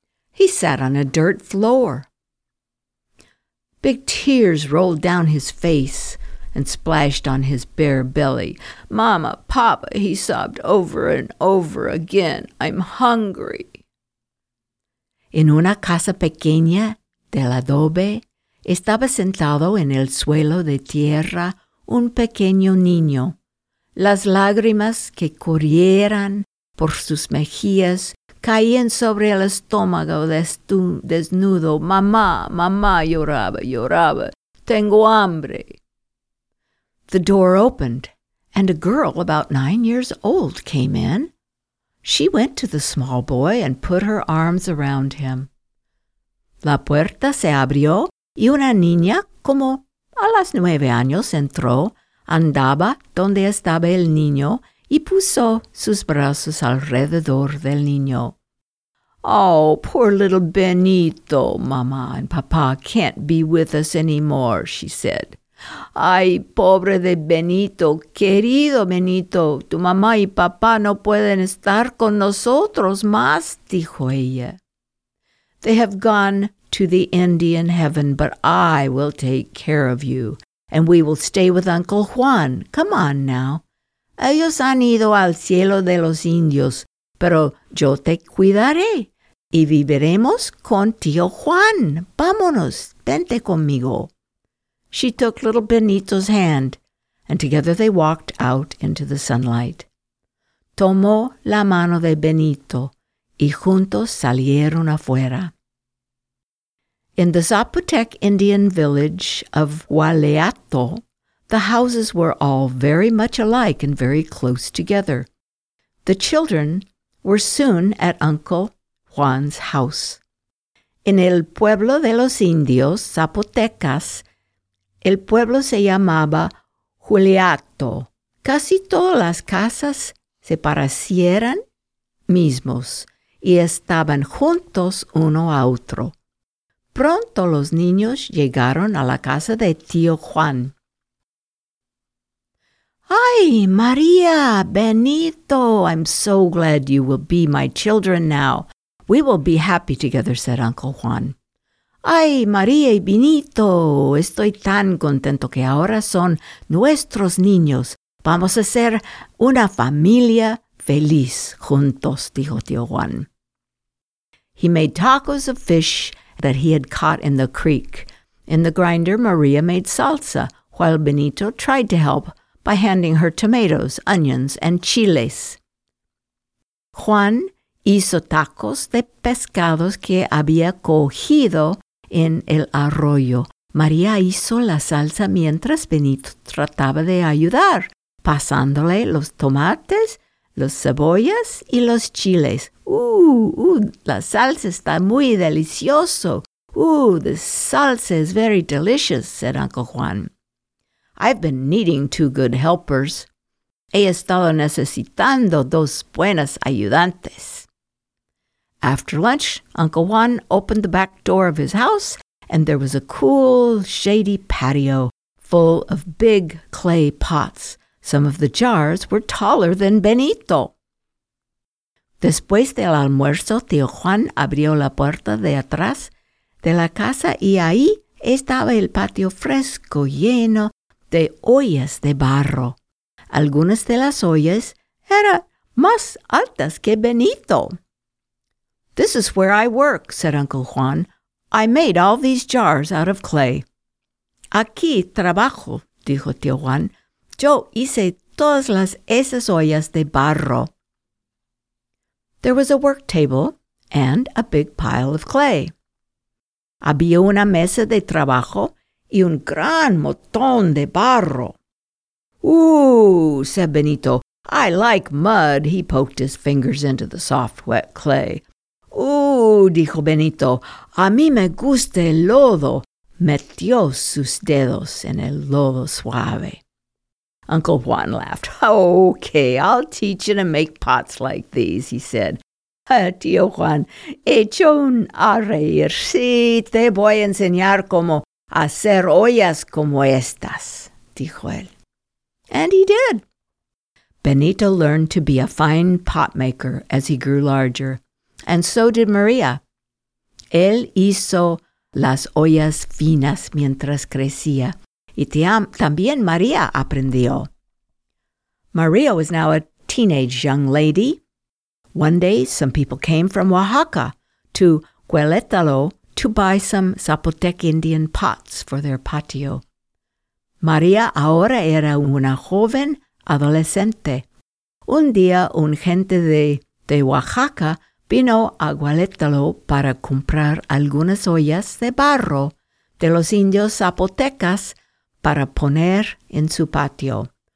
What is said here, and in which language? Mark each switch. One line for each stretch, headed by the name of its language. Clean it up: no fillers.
English: He sat on a dirt floor. Big tears rolled down his face and splashed on his bare belly. "Mama, Papa," he sobbed over and over again, "I'm hungry."
Spanish: En una casa pequeña del adobe, estaba sentado en el suelo de tierra un pequeño niño. Las lágrimas que corrieran por sus mejillas caían sobre el estómago desnudo. "Mamá, mamá," lloraba, lloraba. "Tengo hambre."
English: The door opened, and a girl about 9 years old came in. She went to the small boy and put her arms around him.
Spanish: La puerta se abrió y una niña como a los 9 años entró, andaba donde estaba el niño y puso sus brazos alrededor del niño.
English: "Oh, poor little Benito, mamá and papá can't be with us anymore," she said.
Spanish: "Ay, pobre de Benito, querido Benito, tu mamá y papá no pueden estar con nosotros más," dijo ella.
English: "They have gone to the Indian heaven, but I will take care of you, and we will stay with Uncle Juan. Come on now.
Spanish: Ellos han ido al cielo de los indios, pero yo te cuidaré, y viviremos con tío Juan. Vámonos, vente conmigo."
English: She took little Benito's hand, and together they walked out into the sunlight.
Spanish: Tomó la mano de Benito, y juntos salieron afuera.
English: In the Zapotec Indian village of Hualeato, the houses were all very much alike and very close together. The children were soon at Uncle Juan's house.
Spanish: En el pueblo de los indios zapotecas, el pueblo se llamaba Hualeato. Casi todas las casas se parecieran mismos y estaban juntos uno a otro. Pronto los niños llegaron a la casa de tío Juan.
English: "Ay, María, Benito, I'm so glad you will be my children now. We will be happy together," said Uncle Juan.
Spanish: "Ay, María y Benito, estoy tan contento que ahora son nuestros niños. Vamos a ser una familia feliz juntos," dijo tío Juan.
English: He made tacos of fish that he had caught in the creek. In the grinder, Maria made salsa, while Benito tried to help by handing her tomatoes, onions, and chiles.
Spanish: Juan hizo tacos de pescados que había cogido en el arroyo. Maria hizo la salsa mientras Benito trataba de ayudar, pasándole los tomates, las cebollas y los chiles. La salsa está muy delicioso.
English: Ooh, the salsa is very delicious, said Uncle Juan. I've been needing two good helpers.
Spanish: He estado necesitando dos buenas ayudantes.
English: After lunch, Uncle Juan opened the back door of his house, and there was a cool, shady patio full of big clay pots. Some of the jars were taller than Benito.
Spanish: Después del almuerzo, tío Juan abrió la puerta de atrás de la casa y ahí estaba el patio fresco lleno de ollas de barro. Algunas de las ollas eran más altas que Benito.
English: This is where I work, said Uncle Juan. I made all these jars out of clay.
Spanish: Aquí trabajo, dijo tío Juan. Yo hice todas las esas ollas de barro.
English: There was a work table and a big pile of clay.
Spanish: Había una mesa de trabajo y un gran montón de barro.
English: Ooh, said Benito. I like mud. He poked his fingers into the soft, wet clay.
Spanish: Ooh, dijo Benito. A mí me gusta el lodo. Metió sus dedos en el lodo suave.
English: Uncle Juan laughed. Okay, I'll teach you to make pots like these, he said.
Spanish: Tío Juan, echó a reír. Sí, te voy a enseñar cómo hacer ollas como estas, dijo él.
English: And he did. Benito learned to be a fine pot maker as he grew larger, and so did Maria.
Spanish: Él hizo las ollas finas mientras crecía, y también María aprendió.
English: Maria was now a teenage young lady. One day, some people came from Oaxaca to Querétaro to buy some Zapotec Indian pots for their patio.
Spanish: María ahora era una joven adolescente. Un día, un gente de Oaxaca vino a Querétaro para comprar algunas ollas de barro de los indios zapotecas para poner en su patio.